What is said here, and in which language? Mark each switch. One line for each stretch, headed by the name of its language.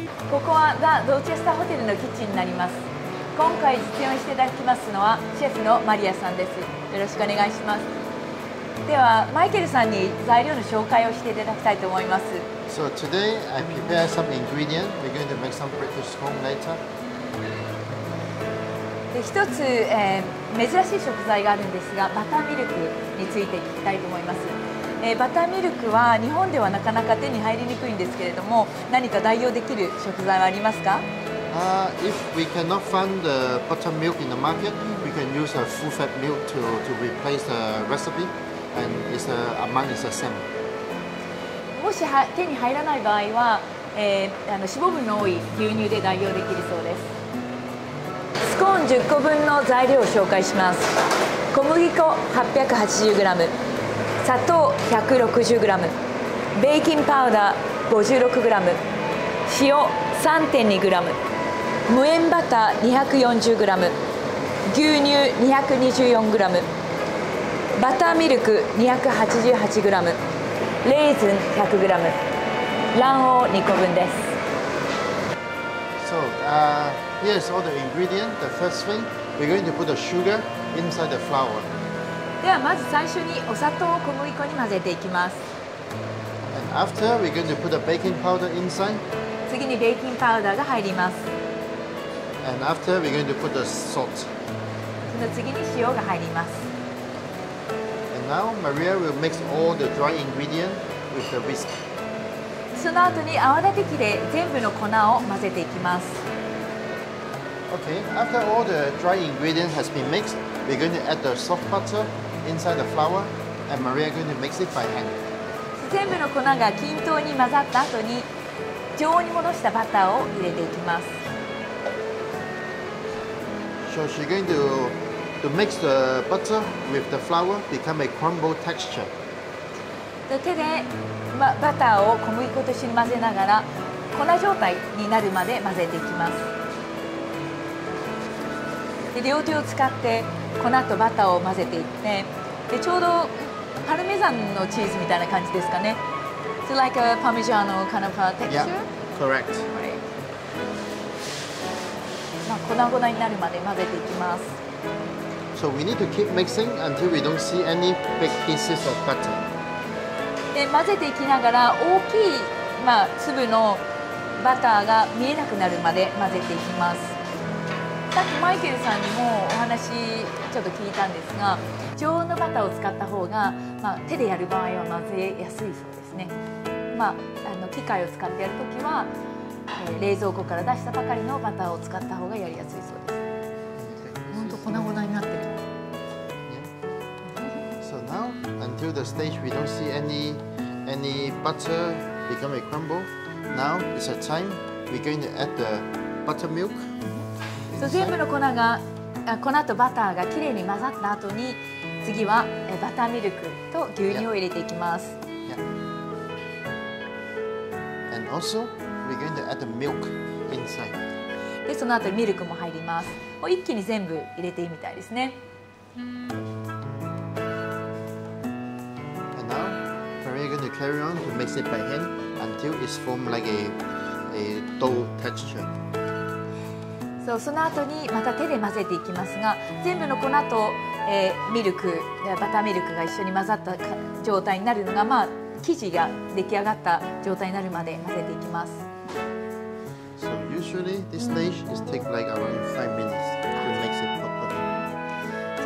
Japanese: ここはザ・ドーチェスターホテルのキッチンになります。今回実演していただきますのはシェフのマリアさんです。よろしくお願いします。ではマイケルさんに材料の紹介をしていただきたいと思います。
English: So today I prepare some ingredients. We're going to make some breakfast home later.
Japanese: 一つ、珍しい食材があるんですが、バターミルクについて聞きたいと思います。バターミルクは日本ではなかなか手に入りにくいんですけれども、何か代用できる食材はありますか？
English: If we cannot find the buttermilk in the market, we can use a full fat milk to replace the recipe, and its amount is the same.
Japanese: もし手に入らない場合は、脂肪分の多い牛乳で代用できるそうです。スコーン10個分の材料を紹介します。小麦粉880g、砂糖160g、ベーキングパウダー56g、塩 3.2g。無塩バター240g、牛乳224g、バターミルク288g、レーズン100g、卵黄2個分です。
English: So, here's all the ingredients. The first thing, we're going to put the sugar inside the flour.
Japanese: ではまず最初にお砂糖を小麦粉に混ぜていきます。
English: And after, we're going to put the baking powder inside.
Japanese: 次にベーキングパウダーが入ります。
English: And after we're going to put the salt.
Japanese: その次に塩が入ります。
English: And now Maria will mix all the dry ingredients with the whisk.
Japanese: その後に泡立て器で全部の粉を混ぜていきます。
English: Okay, after all the dry ingredients has been mixed, we're going to add the soft butter inside the flour, and Maria is going to mix it by hand.
Japanese: 全部の粉が均等に混ざった後に常温に戻したバターを入れていきます。
English: So she's going to mix the butter with the flour, become a crumble texture.
Japanese: で手で、ま、バターを小麦粉と一緒に混ぜながら粉状態になるまで混ぜていきます。で両手を使って粉とバターを混ぜていって、でちょうどパルメザンのチーズみたいな感じですかね。
English: So like a Parmigiano kind of a texture? Yeah, correct.
Japanese: 粉々になるまで混ぜていきます。
English: So we need to keep mixing until we don't see any big pieces of butter.
Japanese: で混ぜていきながら大きい、まあ、粒のバターが見えなくなるまで混ぜていきます。さっきマイケルさんにもお話ちょっと聞いたんですが、常温のバターを使った方が、まあ、手でやる場合は混ぜやすいそうですね。まあ、機械を使ってやるときは冷蔵庫から出したばかりのバターを使った方がやりやすいそうです。本当粉々になってる。
English: So now until the stage we don't see any butter become a crumble, now is the time we're going to add the buttermilk.
Japanese: So 全部の粉とバターがきれいに混ざった後に次はバターミルクと牛乳を入れていきます。
English: Yeah. And also,We're going to add the milk inside.
Japanese: でその後ミルクも入ります。もう一気に全部入れていいみたいですね。
English: And now Maria is going to carry on to mix it by hand until it's formed like a dough texture.
Japanese: So, その後にまた手で混ぜていきますが、全部の粉と、ミルク、バターミルクが一緒に混ざった状態になるのが、まあ、生地が出来上がった状態になるまで混ぜていきます。
English: Usually, this stage is take like around 5 minutes to make it properly.